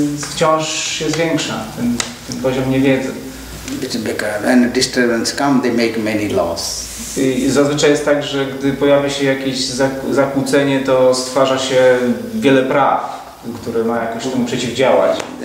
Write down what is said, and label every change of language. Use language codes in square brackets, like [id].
[pl] Wciąż się zwiększa ten poziom niewiedzy. [en] When disturbance comes, they make many laws. [pl] Zazwyczaj jest tak, że gdy pojawia się jakieś zakłócenie, to stwarza się wiele praw, które ma jakoś temu przeciwdziałać.